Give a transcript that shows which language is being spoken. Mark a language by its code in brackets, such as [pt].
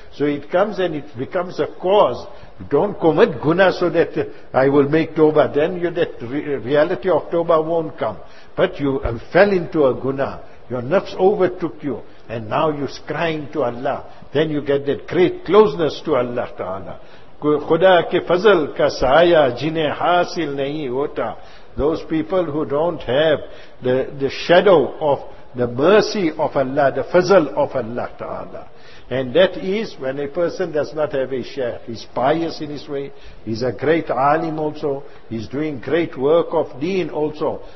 [en] So it comes and it becomes a cause. Don't commit guna so that I will make tawbah. Then that reality of tawbah won't come. But you fell into a guna. Your nafs overtook you. And now you're crying to Allah. Then you get that great closeness to Allah Ta'ala. [ur] خدا کے فضل کا سایہ جنہیں حاصل نہیں ہوتا. [en] Those people who don't have the shadow of the mercy of Allah, the fazl of Allah Ta'ala. And that is when a person does not have a share. He's pious in his way. He's a great alim also. He's doing great work of deen also.